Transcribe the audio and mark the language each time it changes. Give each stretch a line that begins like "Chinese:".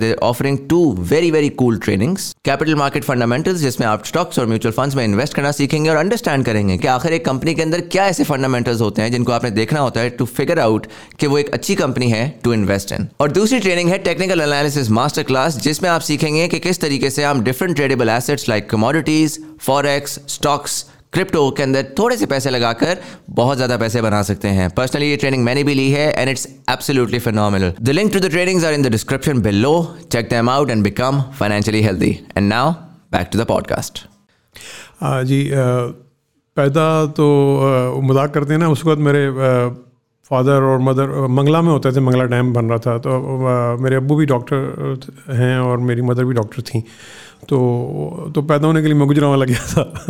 English: they are offering to very very cool trainings,
Urdu: capital market fundamentals جس میں آپ stocks اور میوچل فنڈز میں انویسٹ کرنا سیکھیں گے اور انڈرسٹینڈ کریں گے کہ آخر ایک کمپنی کے اندر کیا ایسے فنڈامنٹلز ہوتے ہیں جن کو آپ نے دیکھنا ہوتا ہے
English: to figure out
Urdu: کہ وہ ایک اچھی کمپنی ہے
English: To invest in.
Urdu: اور دوسری ٹریننگ ہے ٹیکنیکل انالیسز ماسٹر کلاس، جس میں آپ سیکھیں گے کہ کس طریقے سے ہم different tradable assets like commodities, forex, stocks, crypto کے اندر تھوڑے سے پیسے لگا کر بہت زیادہ پیسے بنا سکتے ہیں. پرسنلی یہ ٹریننگ میں نے بھی لی ہے
English: And it's absolutely phenomenal. The link to the trainings are in the description below, check them out and become financially healthy. And now back to the podcast.
Urdu: جی پیدا تو مذاق کرتے ہیں نا، اس وقت میرے فادر اور مدر منگلہ میں ہوتے تھے، منگلہ ڈیم بن رہا تھا، تو میرے ابو بھی ڈاکٹر ہیں اور میری مدر بھی ڈاکٹر تھیں، تو پیدا ہونے کے لیے میں گجراں والا گیا تھا.